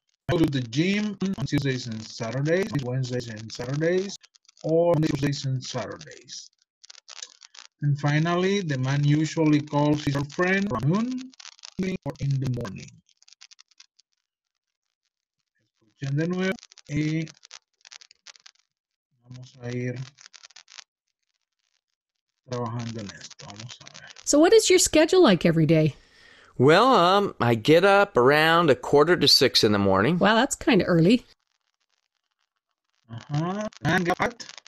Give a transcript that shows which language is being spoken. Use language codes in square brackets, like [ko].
[en] Go to the gym on Tuesdays and Saturdays, Wednesdays and Saturdays, or on Tuesdays and Saturdays. And finally, the man usually calls his girlfriend from noon or in the morning. [es] Escuchen de nuevo y vamos a ir trabajando en esto. Vamos a ver. [en] So what is your schedule like every day? Well, I get up around a quarter to six in the morning. Wow, that's kind of early. Uh-huh. And what?